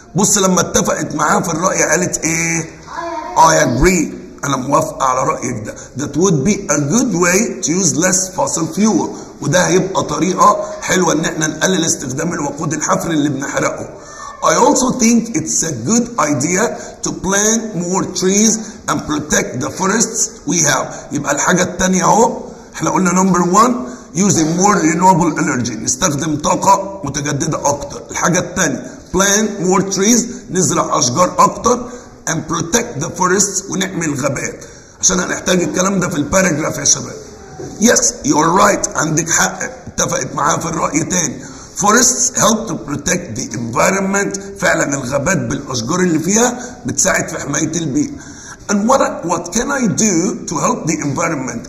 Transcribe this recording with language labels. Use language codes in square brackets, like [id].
[ar] بص لما اتفقت معاه في الرأي قالت إيه [en] I agree. [ar] أنا موافق على رأيك ده. [en] That would be a good way to use less fossil fuel. [ar] وده هيبقى طريقة حلوة إن احنا نقلل استخدام الوقود الحفري اللي بنحرقه. [en] I also think it's a good idea to plant more trees and protect the forests we have. [ar] يبقى الحاجة التانية هو احنا قلنا [en] number one using more renewable energy. [ar] نستخدم طاقة متجددة أكتر. الحاجة التانية [en] plant more trees. [ar] نزرع أشجار أكتر. [en] And protect the forests. [ar] ونعمي الغابات. عشان هنحتاج الكلام ده في الباراجراف يا شباب. [en] Yes, you're right. [ar] عندك حق. اتفقت معاه في الرأي تاني. [en] Forests help to protect the environment. [ar] فعلا الغابات بالأشجار اللي فيها بتساعد في حماية البيئة. [en] And what can I do to help the environment?